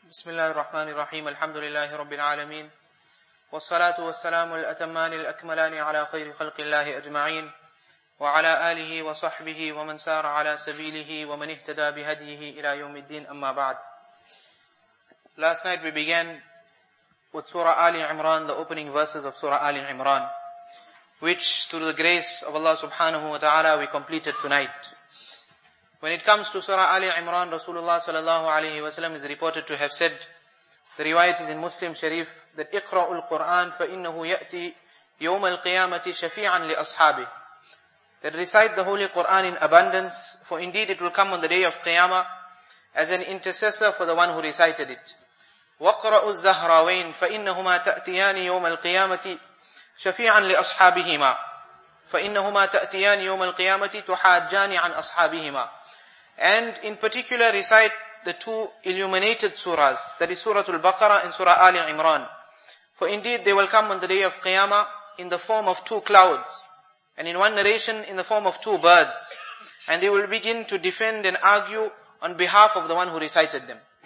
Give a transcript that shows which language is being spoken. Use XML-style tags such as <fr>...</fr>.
<ar>بسم الله الرحمن الرحيم الحمد لله رب العالمين والصلاة والسلام الأتمان الأكملان على خير خلق الله أجمعين وعلى آله وصحبه ومن سار على سبيله ومن اهتدى بهديه إلى يوم الدين أما بعد.</ar> <en>Last night we began with Surah Ali Imran, the opening verses of Surah Ali Imran, which through the grace of Allah subhanahu wa ta'ala we completed tonight. When it comes to Surah Ali Imran, Rasulullah sallallahu alayhi wa sallam is reported to have said, the riwayat is in Muslim Sharif, that</en> <ar>اقرأوا القرآن فإنه يأتي يوم القيامة شفيعا لأصحابه.</ar> <en>That recite the Holy Quran in abundance, for indeed it will come on the day of Qiyamah as an intercessor for the one who recited it.</en> <ar>وقرأوا الزهراوين فإنهما تأتيان يوم القيامة شفيعا لأصحابهما. فَإِنَّهُمَا تَأْتِيَانِ يَوْمَ الْقِيَامَةِ تُحَاجَّانِ عَنْ أَصْحَابِهِمَا.</ar> <en>And in particular recite the two illuminated surahs, that is Surah Al-Baqarah and Surah Ali Imran. For indeed they will come on the day of Qiyamah in the form of two clouds, and in one narration in the form of two birds, and they will begin to defend and argue on behalf of the one who recited them.</en>